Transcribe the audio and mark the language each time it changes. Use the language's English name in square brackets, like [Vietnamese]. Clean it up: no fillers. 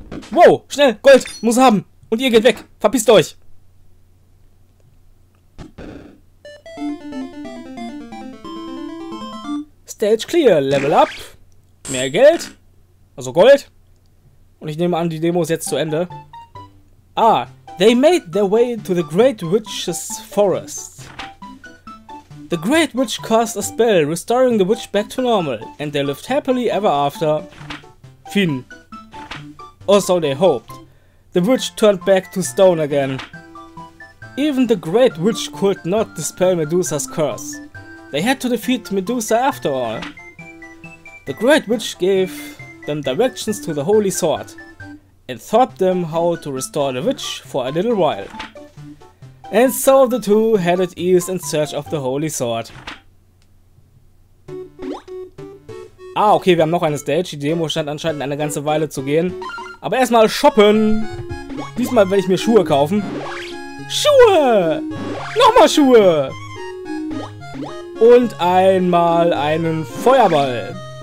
[German] Wow, schnell, Gold, muss haben. Und ihr geht weg, verpisst euch. Stage clear, level up. Mehr Geld, also Gold. Und ich nehme an, die Demo ist jetzt zu Ende. [English] Ah, they made their way to the Great Witch's Forest. The Great Witch cast a spell, restoring the witch back to normal. And they lived happily ever after. Finn. Or so they hoped. The witch turned back to stone again. Even the Great Witch could not dispel Medusa's curse. They had to defeat Medusa after all. The Great Witch gave them directions to the Holy Sword and taught them how to restore the witch for a little while. And so the two headed east in search of the Holy Sword. [German] Ah, okay, wir haben noch eine Stage. Die Demo scheint anscheinend eine ganze Weile zu gehen. Aber erstmal shoppen. Diesmal werde ich mir Schuhe kaufen. Schuhe! Nochmal Schuhe! Und einmal einen Feuerball.